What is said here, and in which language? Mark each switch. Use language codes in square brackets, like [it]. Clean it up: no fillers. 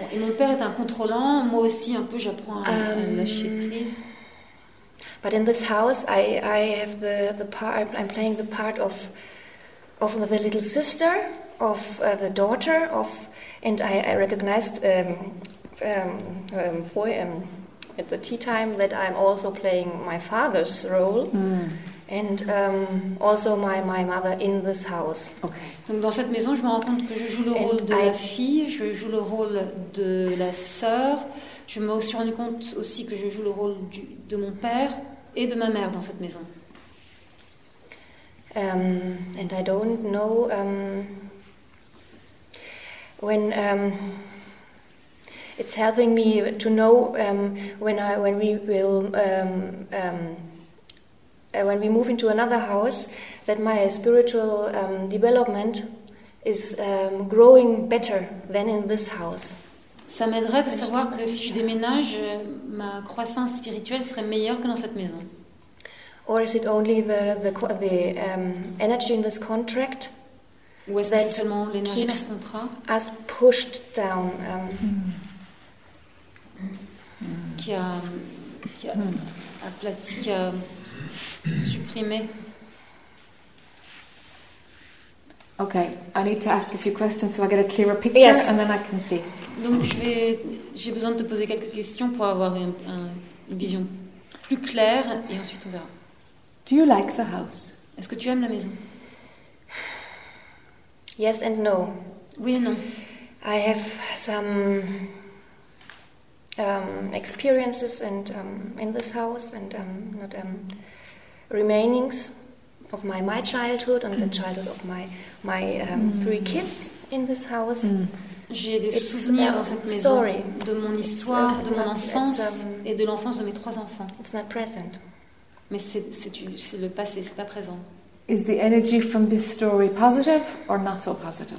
[fr] Et mon père est un contrôlant, moi aussi un peu j'apprends à lâcher prise. [en] But in this house, I have the part, I'm playing the part of the little sister, of the daughter, of, and I recognized at the tea time that I'm also playing my father's role, and also my mother in this house. Okay. [fr] Donc dans cette maison, je me rends compte que je joue le rôle de la fille, je joue le rôle de la sœur. Je me suis rendu compte aussi que je joue le rôle de mon père et de ma mère dans cette maison. [en] And I don't know when it's helping me to know when we move into another house that my spiritual development is growing better than in this house. [fr] Ça m'aiderait de savoir que si je déménage, ma croissance spirituelle serait meilleure que dans cette maison. [en] Or is it only the energy in this contract? [fr] Ou est-ce que c'est seulement l'énergie dans ce contrat? [en] Has pushed down. [fr] Qui a aplati, qui a supprimé. [en] Okay, I need to ask a few questions so I get a clearer picture, yes, and then I can see. [fr] Donc j'ai besoin de te poser quelques questions pour avoir une vision plus claire, et ensuite on verra. [en] Do you like the house? [fr] Est-ce que tu aimes la maison? [en] Yes and no. [fr] Oui et non. [en] I have some experiences and in this house and not remainings of my childhood and the childhood of my three kids in this house. Mm. [fr] J'ai des souvenirs dans cette maison, [en] story, [fr] de mon histoire, de mon enfance et de l'enfance de mes trois enfants. [en] It's not present. [fr] Mais c'est le passé, c'est pas présent. [en] Is the energy from this story positive or not so positive?